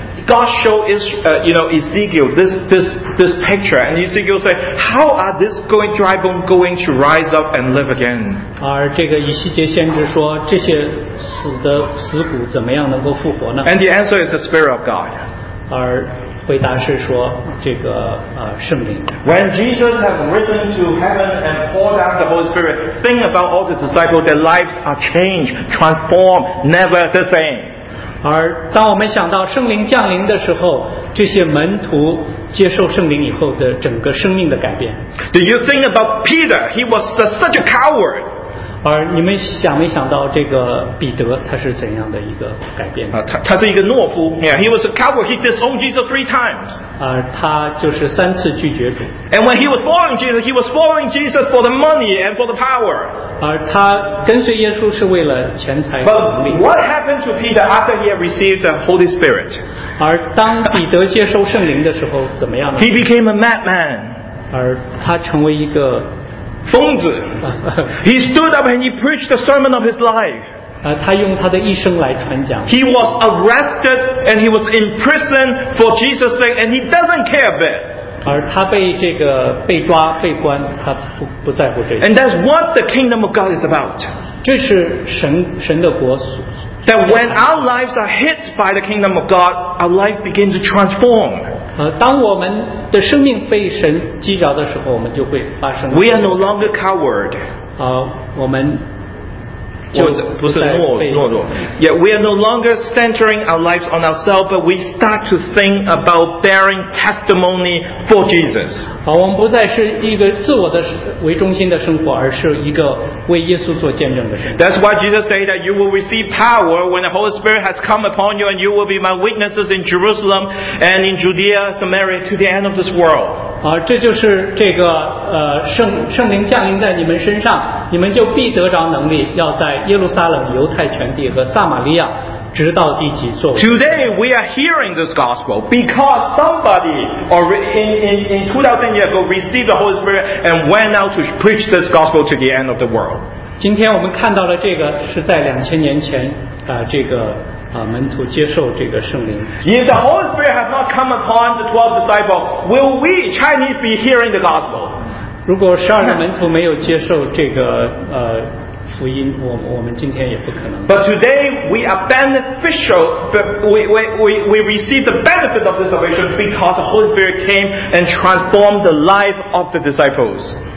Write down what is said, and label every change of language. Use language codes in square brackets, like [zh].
[en] God showed Israel, you know, Ezekiel this picture, and Ezekiel said, "How are this going dry bone going to rise up and live again?" [zh] 而这个以西结先知说，这些死的死骨怎么样能够复活呢 [en] ？And the answer is the Spirit of God. [zh] 而回答是说，这个圣灵。 [en] When Jesus has risen to heaven and poured out the Holy Spirit, think about all the disciples. Their lives are changed, transformed, never the same. [zh] 而当我们想到圣灵降临的时候，这些门徒接受圣灵以后的整个生命的改变。 [en] Do you think about Peter? He was such a coward. [zh] 而你们想没想到这个彼得他是怎样的一个改变？他是一个懦夫。 [en] Yeah, he was a coward. He disowned Jesus 3 times. [zh] 他就是三次拒绝主。 [en] And when he was following Jesus for the money and for the power. [zh] 而他跟随耶稣是为了钱财和能力。 [en] But what happened to Peter after he had received the Holy Spirit? [zh] 而当彼得接受圣灵的时候怎么样呢 [en] ？He became a madman. [zh] 而他成为一个。疯子 [en] He stood up and he preached the sermon of his life. [zh] 他用他的一生来传讲。 [en] He was arrested and he was imprisoned for Jesus' sake and he doesn't care a bit. [zh] 而他被这个被抓被关，他不在乎这些。 [en] And that's what the kingdom of God is about. [zh] 这是神的国所。 [en] That when our lives are hit by the kingdom of God, our life begins to transform. [zh] 当我们的生命被神击着的时候，我们就会发生。 [en] We are no longer coward. [zh] 我们就不是懦弱。 [en] Yet we are no longer centering our lives on ourselves, but we start to think about bearing testimony for Jesus. [zh] 我们不再是一个自我的为中心的生活，而是一个为耶稣做见证的生活。 [en] That's why Jesus said that you will receive power when the Holy Spirit has come upon you, and you will be my witnesses in Jerusalem and in Judea, Samaria, to the end of this world. [zh] 这就是这个圣灵降临在你们身上，你们就必得着能力，要在耶路撒冷、犹太全地和撒玛利亚。 [en] Today we are hearing this gospel because somebody already in 2000 years ago received the Holy Spirit and went out to preach this gospel to the end of the world. [zh] 今天我们看到了这个是在2000年前，这个门徒接受这个圣灵。 [en] If the Holy Spirit has not come upon the 12 disciples, will we Chinese be hearing the gospel? [zh] 如果十二个门徒没有接受这个福音，我们今天也不可能。 [en] But today we are beneficial, we receive the benefit of this salvation because the Holy Spirit came and transformed the life of the disciples.